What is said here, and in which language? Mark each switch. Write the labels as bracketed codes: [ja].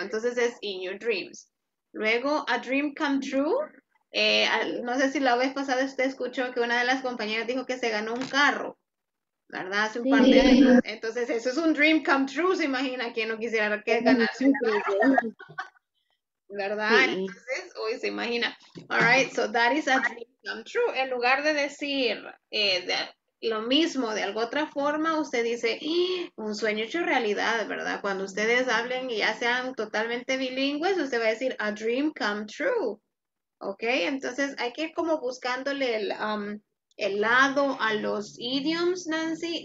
[es] Entonces es [en] in your dreams. Luego, a dream come true. [es] No sé si la vez pasada usted escuchó que una de las compañeras dijo que se ganó un carro, ¿verdad? Hace un par de años. Entonces, eso es un dream come true. ¿Se imagina quién no quisiera que ganarse un carro? ¿Verdad? Entonces, uy, se imagina. [en] All right, so that is a dream come true. [es] En lugar de decir lo mismo de alguna otra forma, usted dice, un sueño hecho realidad, ¿verdad? Cuando ustedes hablen y ya sean totalmente bilingües, usted va a decir, [en] a dream come true. [es] ¿Ok? Entonces, hay que ir como buscándole el lado a los idioms, Nancy.